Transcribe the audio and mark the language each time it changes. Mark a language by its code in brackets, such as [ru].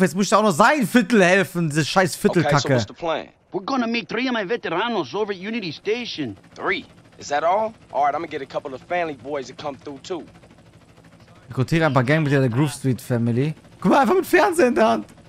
[de] Jetzt muss ich auch noch sein Viertel helfen, diese scheiß Viertelkacke. [en] Okay, so what's the plan? We're gonna meet 3 of my veteranos over at Unity Station. 3? Is that all? All right, I'm gonna get a couple of family boys to come through, too. [de] Rekrutiere ein paar Gangmitglieder der Groove Street Family. Guck mal, einfach mit Fernseher in der Hand.